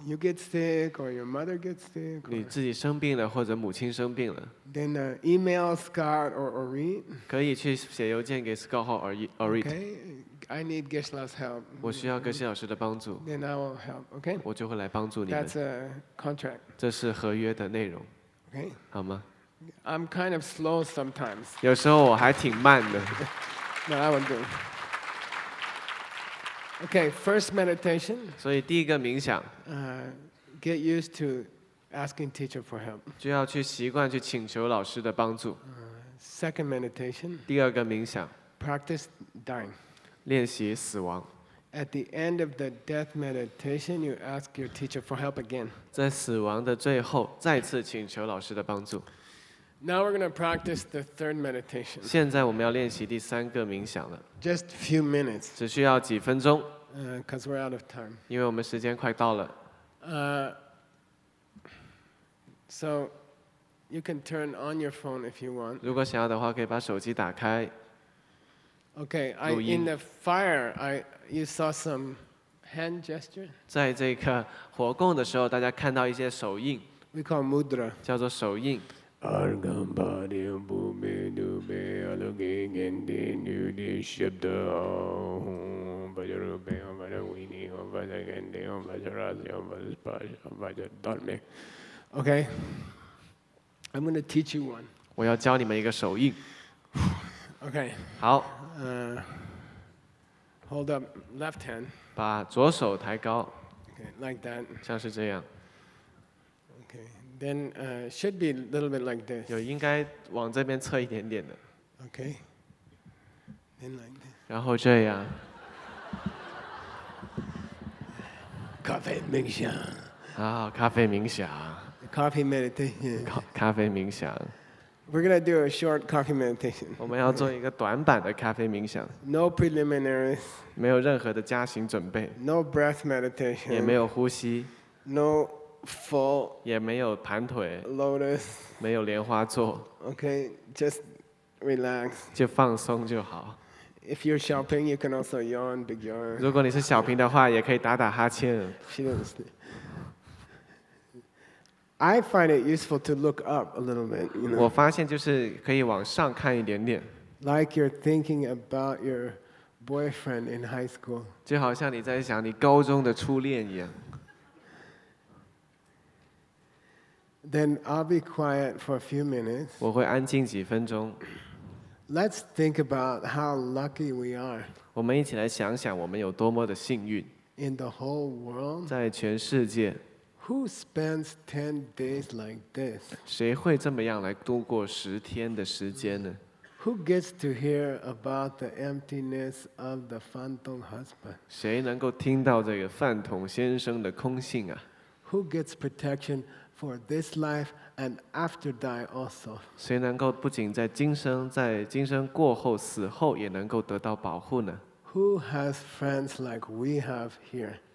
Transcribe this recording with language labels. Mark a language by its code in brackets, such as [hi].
[en] you get sick or your mother gets sick, [zh] 你自己生病了或者母亲生病了 [en] then email Scott or Orit. [zh] 可以去写邮件给 Scott 或 Orit. [en] Okay, I need Geshe-la's help. [zh] 我需要 Geshe 老师的帮助 [en] Then I will help. Okay, [zh] 我就会来帮助你们 [en] That's a contract. [zh] 这是合约的内容 [en] Okay, [zh] 好吗 [en] I'm kind of slow sometimes. [zh] 有时候我还挺慢的 [en] No, I won't do it. Okay, first meditation. [zh] 所以第一个冥想。 [en] Get used to asking teacher for help. [zh] 就要去习惯去请求老师的帮助。 [en] Second meditation. [zh] 第二个冥想。 [en] Practice dying. [zh] 练习死亡。 [en] At the end of the death meditation, you ask your teacher for help again. [zh] 在死亡的最后，再次请求老师的帮助。 [en] Now we're going to practice the third meditation. [zh] 现在我们要练习第三个冥想了。 [en] Just a few minutes. [zh] 只需要几分钟。 [en] Because we're out of time. [zh] 因为我们时间快到了。 [en] So you can turn on your phone if you want. [zh] 如果想要的话，可以把手机打开。 [en] Okay, in the fire, you saw some hand gesture. [zh] 在这个火供的时候，大家看到一些手印。 [en] We call mudra. [zh] 叫做手印。 [sa] Argam Padim Bhumi Dube Alagi Gendi Nudi Shibda Om Vajarupe Om Vajarwini Om Vajagendi Om Vajarazi Om Vajaspaja Om Vajadharmi. [en] Okay, I'm going to teach you one. [zh] 我要教你们一个手印。 [en] Okay. [zh] 好。 [en] Hold up left hand. [zh] 把左手抬高。 [en] Okay, like that. [zh] 像是这样。 [en] Then should be a little bit like this. [zh] 有应该往这边侧一点点的。 [en] Okay. Then like this. [zh] 然后这样。咖啡冥想。啊，咖啡冥想。 [en] Coffee meditation. [zh] 咖啡冥想。 [en] We're gonna do a short coffee meditation. [zh] 我们要做一个短版的咖啡冥想。 [en] No preliminaries. [zh] 没有任何的加行准备。 [en] No breath meditation. [zh] 也没有呼吸。 [en] No. Full, [zh] 也没有盘腿 [en] lotus, [zh] 没有莲花座 [en] okay, just relax, [zh] 就放松就好 [en] If you're Xiaoping, you can also yawn, big yawn. [zh] 如果你是小平的话，也可以打打哈欠 [en] She doesn't sleep. I find it useful to look up a little bit. You know? [zh] 我发现就是可以往上看一点点 [en] Like you're thinking about your boyfriend in high school. [zh] 就好像你在想你高中的初恋一样。 [en] Then I'll be quiet for a few minutes. [zh] 我会安静几分钟。 [en] Let's think about how lucky we are. [zh] 我们一起来想想我们有多么的幸运。 [en] In the whole world. [zh] 在全世界。 [en] Who spends 10 days like this? [zh] 谁会这么样来度过十天的时间呢？ [en] Who gets to hear about the emptiness of the phantom husband? [zh] 谁能够听到这个饭桶先生的空性啊？ [en] Who gets protection? For this life and after die also. [zh] 谁能够不仅在今生，在今生过后、死后也能够得到保护呢？ [en] Who has friends like we have here?